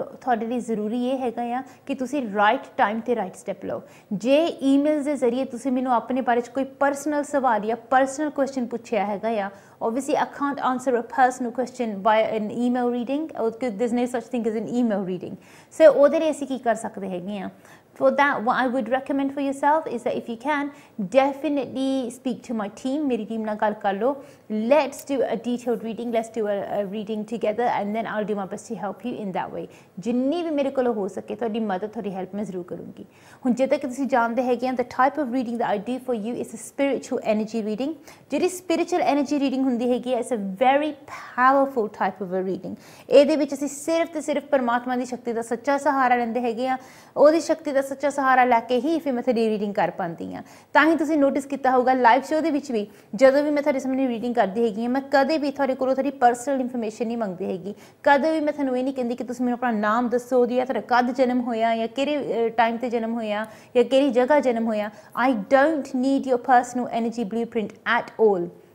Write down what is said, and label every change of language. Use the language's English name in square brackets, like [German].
[Punjabi] ਤੁਹਾਡੇ ਲਈ ਜ਼ਰੂਰੀ ਇਹ ਹੈਗਾ ਆ ਕਿ ਤੁਸੀਂ ਰਾਈਟ ਟਾਈਮ 'ਤੇ ਰਾਈਟ ਸਟੈਪ ਲਓ ਜੇ ਈਮੇਲਸ ਦੇ ਜ਼ਰੀਏ ਤੁਸੀਂ ਮੈਨੂੰ ਆਪਣੇ ਬਾਰੇ 'ਚ ਕੋਈ ਪਰਸਨਲ ਸਵਾਲ ਜਾਂ ਪਰਸਨਲ ਕੁਐਸਚਨ ਪੁੱਛਿਆ ਹੈਗਾ ਆ [English] obviously I can't answer a personal question by an email reading [Punjabi] ਦਿਸ ਨੋ ਸੱਚ thing is an email reading ਸੋ ਉਹਦੇ ਲਈ ਅਸੀਂ ਕੀ ਕਰ ਸਕਦੇ ਹੈਗੇ ਹਾਂ [English] For that, what I would recommend for yourself is that if you can, definitely speak to my team, [Punjabi] meri team na gal kar lo. [English] Let's do a detailed reading, let's do a reading together and then I'll do my best to help you in that way. [Punjabi] ਜਿੰਨੀ ਭੀ ਮੇਰੇ ਕੋਲੋ ਹੋ ਸਕੇ, ਥੋੜੀ ਮਦਦ, ਥੋੜੀ help ਮੈਂ ਜ਼ਰੂਰ ਕਰੂੰਗੀ. Hun jitna ki tusi jante hai ki [English] the type of reading that I do for you is a spiritual energy reading. [Punjabi] Jedi spiritual energy reading hundi hai ki, [English] it's a very powerful type of a reading. [Punjabi] Ede vich assi sirf te sirf parmatma di shakti da sacha sahara lende hai ki, ohdi shakti ਦਾ ਸੱਚਾ ਸਹਾਰਾ ਲੈ ਕੇ ਹੀ ਫਿਰ ਮੈਂ ਤੁਹਾਡੀ reading ਕਰ ਪਾਉਂਦੀ ਹਾਂ ਤਾਂ ਹੀ ਤੁਸੀਂ ਨੋਟਿਸ ਕੀਤਾ ਹੋਊਗਾ ਲਾਈਵ ਸ਼ੋਅ ਦੇ ਵਿੱਚ ਵੀ ਜਦੋਂ ਵੀ ਮੈਂ ਤੁਹਾਡੇ ਸਾਹਮਣੇ ਰੀਡਿੰਗ ਕਰਦੀ ਹੈਗੀ ਹਾਂ ਮੈਂ ਕਦੇ ਵੀ ਤੁਹਾਡੇ ਕੋਲੋਂ ਤੁਹਾਡੀ ਪਰਸਨਲ ਇਨਫੋਰਮੇਸ਼ਨ ਨਹੀਂ ਮੰਗਦੀ ਹੈਗੀ ਕਦੇ ਵੀ ਮੈਂ ਤੁਹਾਨੂੰ ਇਹ ਨਹੀਂ ਕਹਿੰਦੀ ਕਿ ਤੁਸੀਂ ਮੈਨੂੰ ਆਪਣਾ ਨਾਮ ਦੱਸੋ ਜਾਂ ਤੁਹਾਡਾ ਕਦ ਜਨਮ ਹੋਇਆ ਜਾਂ ਕਿਹੜੇ ਟਾਈਮ 'ਤੇ ਜਨਮ ਹੋਇਆ ਜਾਂ ਕਿਹੜੀ ਜਗ੍ਹਾ ਜਨਮ ਹੋਇਆ [English] I don't need your personal energy blueprint at all